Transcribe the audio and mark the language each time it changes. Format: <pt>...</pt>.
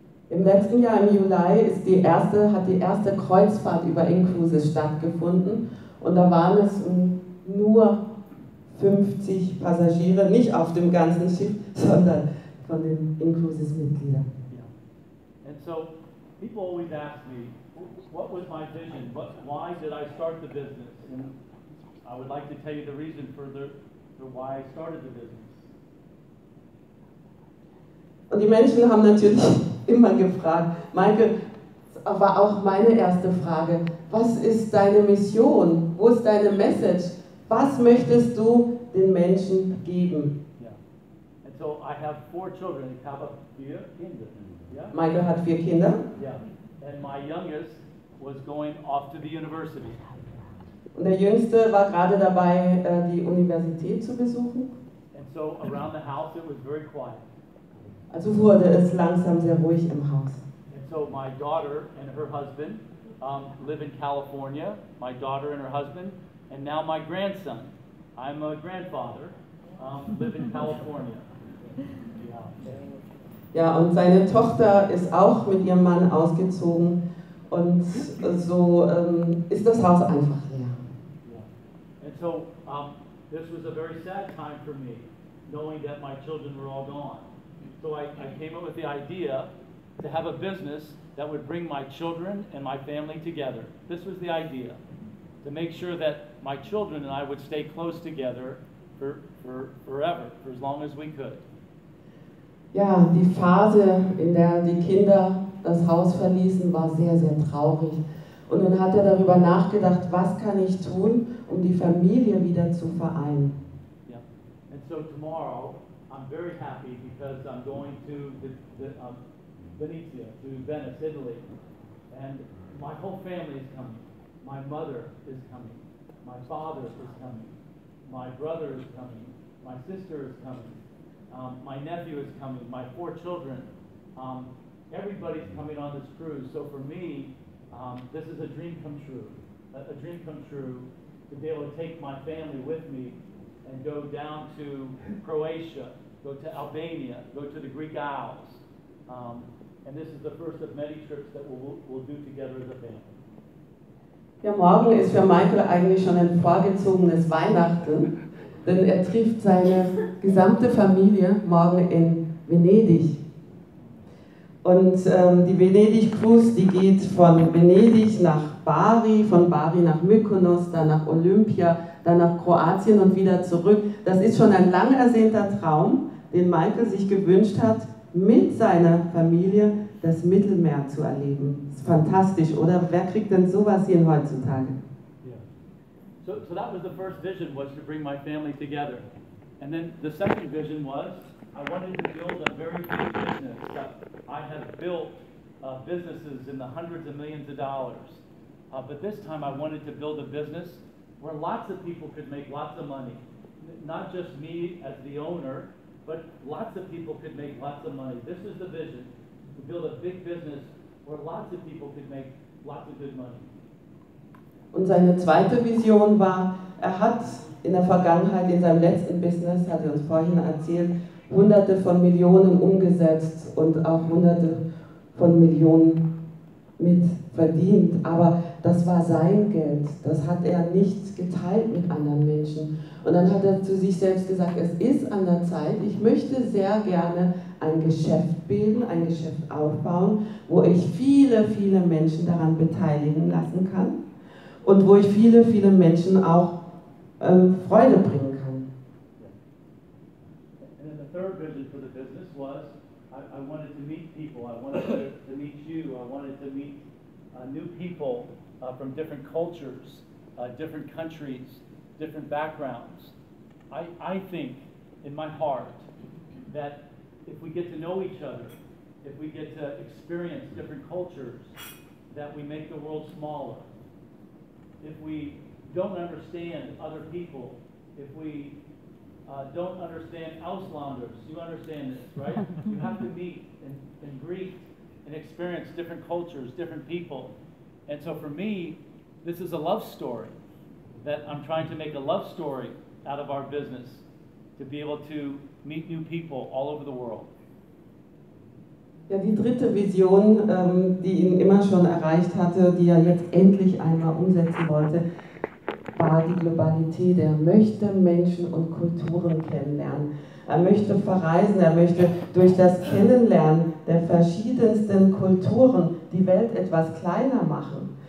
<de>Im letzten Jahr im Juli hat die erste Kreuzfahrt über Inclusive stattgefunden und da waren es nur 50 Passagiere, nicht auf dem ganzen Schiff, sondern von den Inclusive-Mitgliedern.</de> <en>Yeah. And so people always ask me, what was my vision? What, why did I start the business? And I would like to tell you the reason for why I started the business.</en> <de>Und die Menschen haben natürlich immer gefragt, Maike, war auch meine erste Frage, was ist deine Mission? Wo ist deine Message? Was möchtest du den Menschen geben?</de> <en>Yeah. And so I have four children.</en> <de>Ich habe vier Kinder.</de> <en>Yeah.</en> <de>Maike hat vier Kinder.</de> <en>Yeah. And my youngest was going off to the university.</en> <de>Und der Jüngste war gerade dabei, die Universität zu besuchen.</de> <en>And so around the house it was very quiet.</en> <de>Also wurde es langsam sehr ruhig im Haus.</de> <en>And so my daughter and her husband live in California. My daughter and her husband, and now my grandson. I'm a grandfather. Live in California. Yeah.</en> <de>Ja, und seine Tochter ist auch mit ihrem Mann ausgezogen und so ist das Haus einfach leer.</de> <en>Yeah. And so this was a very sad time for me, knowing that my children were all gone. So I came up with the idea to have a business that would bring my children and my family together. This was the idea, to make sure that my children and I would stay close together forever, for as long as we could.</en> <de>Ja, die Phase, in der die Kinder das Haus verließen, war sehr, sehr traurig. Und dann hat er darüber nachgedacht, was kann ich tun, um die Familie wieder zu vereinen.</de> <en>Ja, and so tomorrow I'm very happy because I'm going to Venezia, to Venice, Italy, and my whole family is coming. My mother is coming. My father is coming. My brother is coming. My sister is coming. My nephew is coming. My four children. Everybody's coming on this cruise. So for me, this is a dream come true. A dream come true to be able to take my family with me and go down to Croatia. Go to Albania, go to the Greek Isles. And this is the first of many trips that we'll do together as a family.</en> <de>Ja, morgen ist für Maike eigentlich schon ein vorgezogenes Weihnachten, denn er trifft seine gesamte Familie morgen in Venedig. Und die Venedig Cruise, die geht von Venedig nach Bari, von Bari nach Mykonos, dann nach Olympia, dann nach Kroatien und wieder zurück. Das ist schon ein lang ersehnter Traum, den Maike sich gewünscht hat, mit seiner Familie das Mittelmeer zu erleben. Das ist fantastisch, oder? Wer kriegt denn sowas hier heutzutage?</de> <en>Yeah. So that was the first vision, was to bring my family together. And then the second vision was, I wanted to build a very big business. I have built businesses in the hundreds of millions of dollars. But this time I wanted to build a business where lots of people could make lots of money. Not just me as the owner, but lots of people could make lots of money. This is the vision, to build a big business where lots of people could make lots of good money.</en> <de>Und seine zweite Vision war, hat in der Vergangenheit, in seinem letzten Business, hat uns vorhin erzählt, hunderte von Millionen umgesetzt und auch hunderte von Millionen mit verdient. Aber das war sein Geld. Das hat er nicht geteilt mit anderen Menschen. Und dann hat er zu sich selbst gesagt, es ist an der Zeit, ich möchte sehr gerne ein Geschäft bilden, ein Geschäft aufbauen, wo ich viele, viele Menschen daran beteiligen lassen kann und wo ich viele, viele Menschen auch Freude bringen kann.</de> <en>Third vision for the business was I wanted to meet people. I wanted to meet you. I wanted to meet new people from different cultures, different countries, different backgrounds. I think in my heart that if we get to know each other, if we get to experience different cultures, that we make the world smaller. If we don't understand other people, if we don't understand Auslanders. You understand this, right? You have to meet and greet and experience different cultures, different people. And so for me, this is a love story that I'm trying to make a love story out of our business to be able to meet new people all over the world.</en> <de>Ja, die dritte Vision, die ihn immer schon erreicht hatte, die er jetzt endlich einmal umsetzen wollte, war die Globalität. Er möchte Menschen und Kulturen kennenlernen. Er möchte verreisen, er möchte durch das Kennenlernen der verschiedensten Kulturen die Welt etwas kleiner machen.</de>